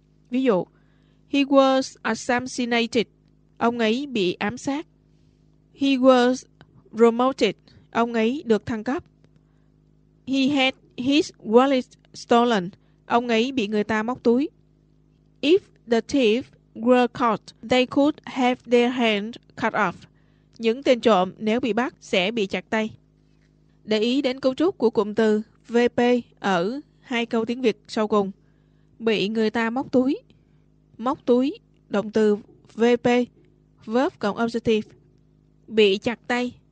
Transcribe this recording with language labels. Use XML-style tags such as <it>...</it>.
<vi>Ví dụ,</vi> <en>he was assassinated.</en> <vi>Ông ấy bị ám sát.</vi> <en>He was promoted.</en> <vi>Ông ấy được thăng cấp.</vi> <en>He had his wallet stolen.</en> <vi>Ông ấy bị người ta móc túi.</vi> <en>If the thief were caught, they could have their hand cut off.</en> <vi>Những tên trộm nếu bị bắt sẽ bị chặt tay. Để ý đến cấu trúc của cụm từ VP ở hai câu tiếng Việt sau cùng. Bị người ta móc túi. Móc túi, động từ VP, verb cộng adjective. Bị chặt tay.</vi>